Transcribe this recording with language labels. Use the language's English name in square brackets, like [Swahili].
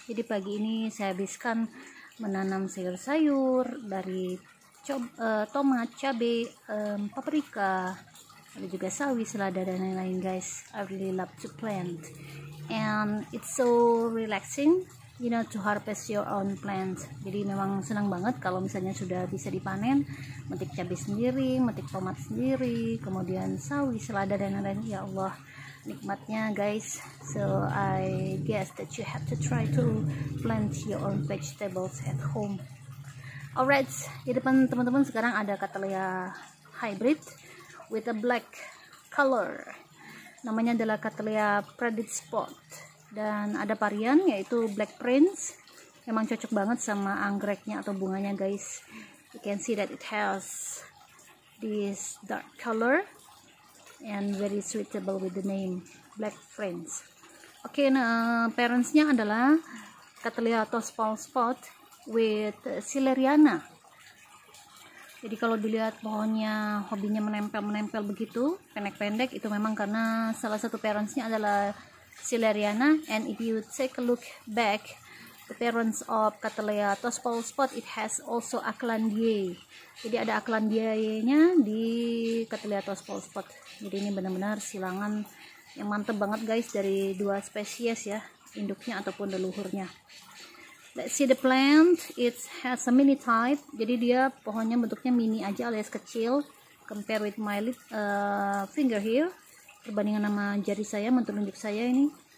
[Indonesian] Jadi pagi ini saya habiskan menanam sayur-sayur dari tomat, cabai, paprika, ada juga sawi, selada dan lain-lain, guys. [English] I really love to plant and it's so relaxing, you know, to harvest your own plant. [Indonesian] Jadi memang senang banget kalau misalnya sudah bisa dipanen, metik cabai sendiri, metik tomat sendiri, kemudian sawi, selada dan lain-lain. Ya Allah, nikmatnya, guys. [English] So I guess that you have to try to plant your own vegetables at home. [Indonesian] Alright, di depan teman-teman sekarang ada cattleya hybrid [English] with a black color. [Indonesian] Namanya adalah Cattleya Predit Spot. Dan ada varian yaitu Black Prince. Memang cocok banget sama anggreknya atau bunganya, guys. [English] You can see that it has this dark color and very suitable with the name Black Prince. [Indonesian] Okay, nah parents-nya adalah Cattleya Tospol Spot with Sileriana. Jadi kalau dilihat pohonnya hobinya menempel-menempel begitu, pendek-pendek, itu memang karena salah satu parents-nya adalah Sileriana. [English] And if you take a look back, the parents of Cattleya Tospol Spot, it has also Aklandiae. [Indonesian] Jadi ada Aklandiae-nya di Cattleya Tospol Spot. Jadi ini benar-benar silangan yang mantep banget, guys, dari dua spesies ya, induknya ataupun leluhurnya. [English] Let's see the plant. It has a mini type. [Indonesian] Jadi dia pohonnya bentuknya mini aja alias kecil. [English] Compare with my finger here. [Indonesian] Perbandingan sama jari saya, menunjuk saya ini.